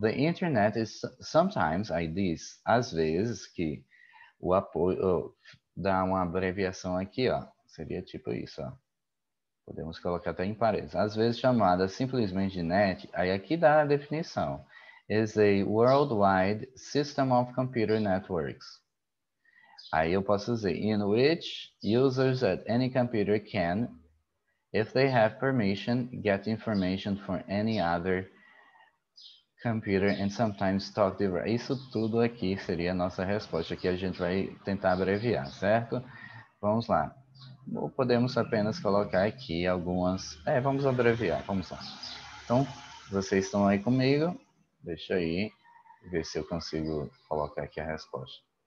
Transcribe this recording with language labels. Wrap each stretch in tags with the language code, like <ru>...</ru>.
<en>The internet is sometimes,</en> <pt>aí diz, às vezes, que o apoio, dá uma abreviação aqui, ó. Seria tipo isso, ó. Podemos colocar até em parênteses. Às vezes chamada simplesmente de net, aí aqui dá a definição.</pt> <en>Is a worldwide system of computer networks.</en> <pt>Aí eu posso dizer,</pt> <en>in which users at any computer can, if they have permission, get information from any other computer and sometimes talk device.</en> <pt>Isso tudo aqui seria a nossa resposta, que a gente vai tentar abreviar, certo? Vamos lá. Ou podemos apenas colocar aqui algumas. É, vamos abreviar, vamos lá. Então, vocês estão aí comigo? Deixa aí ver se eu consigo colocar aqui a resposta.</pt>